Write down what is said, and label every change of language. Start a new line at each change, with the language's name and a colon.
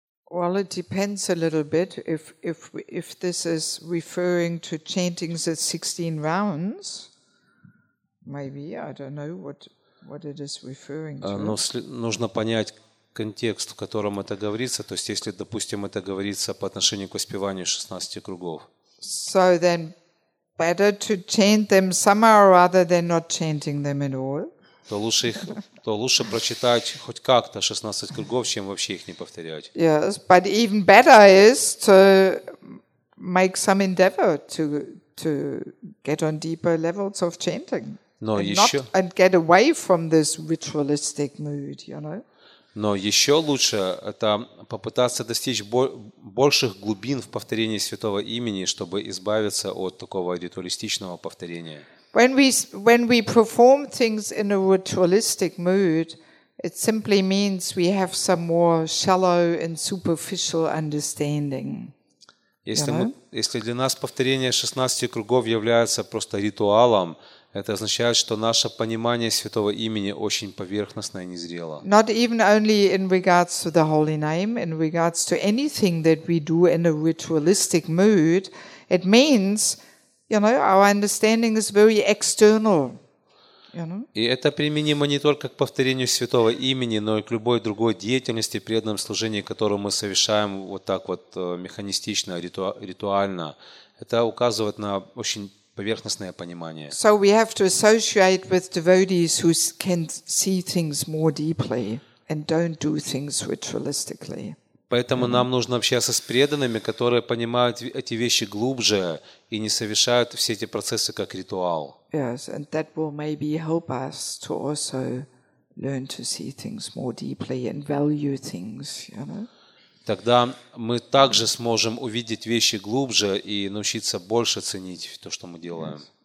English: Well, it depends a little bit if this is referring to chanting the 16 rounds. Maybe, I don't know what it is referring to.
Russian: Но нужно понять контекст, в котором это говорится, то есть если, допустим, это говорится по отношению к воспеванию 16 кругов.
English: So then, better to chant them somehow rather than not chanting them at all.
Russian: То лучше прочитать хоть как-то 16 кругов, чем вообще их не повторять.
English: Yes, but even better is to make some endeavor to get on deeper levels of chanting.
Russian: Но ещё
English: and get away from this ritualistic mood, you know.
Russian: Но ещё лучше это попытаться достичь больших глубин в повторении святого имени, чтобы избавиться от такого ритуалистичного повторения.
English: When we perform things in a ritualistic mood, it simply means we have some more shallow and superficial understanding.
Russian: Если для нас повторение 16 кругов является просто ритуалом, это означает, что наше понимание святого имени очень поверхностное и незрело.
English: Not even only in regards to the holy name, in regards to anything that we do in a ritualistic mood, it means, you know, our understanding is very external. You know?
Russian: И это применимо не только к повторению святого имени, но и к любой другой деятельности, преданном служении, которую мы совершаем вот так вот механистично, ритуально. Это указывает на очень поверхностное понимание.
English: So we have to associate with devotees who can see things more deeply and don't do things ritualistically.
Russian: Поэтому нам нужно общаться с преданными, которые понимают эти вещи глубже и не совершают все эти процессы как ритуал.
English: Yes, and that will maybe help us to also learn to see things more deeply and value things, you know.
Russian: Тогда мы также сможем увидеть вещи глубже и научиться больше ценить то, что мы делаем.